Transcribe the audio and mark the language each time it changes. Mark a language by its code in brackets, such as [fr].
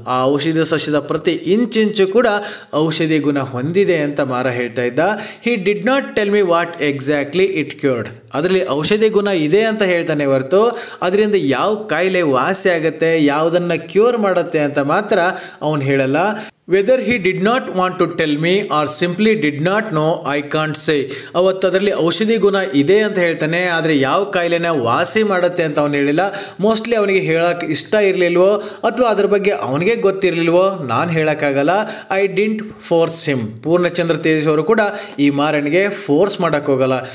[kn] ಆ ಔಷಧಿ ಸಸ್ಯದ ಪ್ರತಿ ಇಂಚು ಕೂಡ ಔಷಧಿ ಗುಣ ಹೊಂದಿದೆ ಅಂತ ಮಾರ ಹೇಳ್ತಾ ಇದ್ದ. [en] He did not tell me what exactly it cured. [kn] ಅದರಲ್ಲಿ ಔಷಧಿ ಗುಣ ಇದೆ ಅಂತ ಹೇಳ್ತಾನೆ ಹೊರತು ಅದರಿಂದ ಯಾವ ಕಾಯಿಲೆ ವಾಸಿ ಆಗುತ್ತೆ, ಯಾವುದನ್ನು ಕ್ಯೂರ್ ಮಾಡುತ್ತೆ ಅಂತ ಮಾತ್ರ ಅವನು ಹೇಳಲ್ಲ. [en] Whether he did not want to tell me or simply did not know, I can't say. [kn] ಅವತ್ತದರಲ್ಲಿ ಔಷಧಿ ಗುಣ ಇದೆ ಅಂತ ಹೇಳ್ತಾನೆ, ಆದರೆ ಯಾವ ಕಾಯಿಲೆನ ವಾಸಿ ಮಾಡುತ್ತೆ ಅಂತ ಅವನು ಹೇಳಿಲ್ಲ. ಮೋಸ್ಟ್ಲಿ ಅವನಿಗೆ ಹೇಳಕ್ಕೆ ಇಷ್ಟ ಇರಲಿಲ್ವೋ ಅಥವಾ ಅದ್ರ ಬಗ್ಗೆ ಅವನಿಗೆ ಗೊತ್ತಿರಲಿಲ್ವೋ, ನಾನು ಹೇಳೋಕ್ಕಾಗಲ್ಲ. [en] I didn't force him. [kn] Purnachandra ತೇಜಸ್ವರು ಕೂಡ ಈ ಮಾರನಿಗೆ ಫೋರ್ಸ್ ಮಾಡೋಕ್ಕೆ ಹೋಗಲ್ಲ.